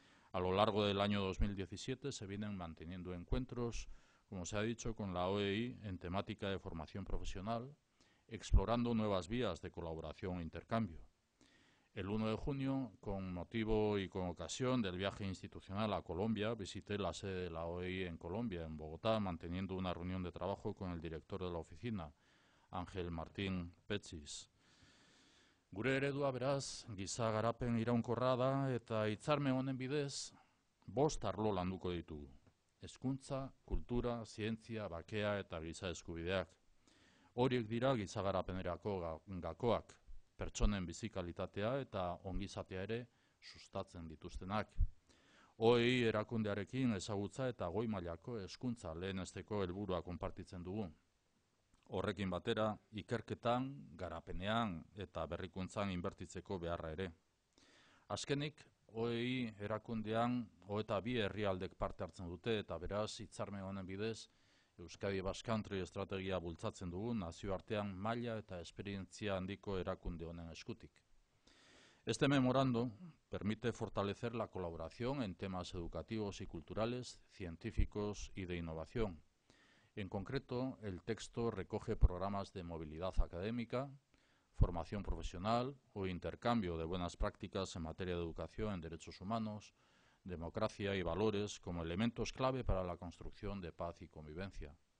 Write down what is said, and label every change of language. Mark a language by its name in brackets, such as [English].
[Spanish] A lo largo del año 2017 se vienen manteniendo encuentros, como se ha dicho, con la OEI en temática de formación profesional, explorando nuevas vías de colaboración e intercambio. El 1 de junio, con motivo y con ocasión del viaje institucional a Colombia, visité la sede de la OEI en Colombia, en Bogotá, manteniendo una reunión de trabajo con el director de la oficina, Ángel Martín Petsis. [Basque] Gure eredua beraz, giza garapen iraunkorra da eta hitzarme honen bidez, bost arlo landuko ditugu. Hezkuntza, kultura, zientzia, bakea eta giza eskubideak. Horiek dira giza garapenerako gakoak, pertsonen bizikalitatea eta ongizatea ere sustatzen dituztenak. OEI erakundearekin ezagutza eta goi mailako hezkuntza lehenesteko helburua konpartitzen dugu. Horrekin batera, ikerketan, garapenean eta berrikuntzan inbertitzeko beharra ere. Azkenik, OEI erakundean, hogeita bi herrialdek parte hartzen dute eta beraz, hitzarme honen bidez, Euskadi Basque Country estrategia bultzatzen dugu nazioartean maila eta esperientzia handiko erakunde honen eskutik. [Spanish] Este memorando permite fortalecer la colaboración en temas educativos y culturales, científicos y de innovación. En concreto, el texto recoge programas de movilidad académica, formación profesional o intercambio de buenas prácticas en materia de educación en derechos humanos, democracia y valores como elementos clave para la construcción de paz y convivencia.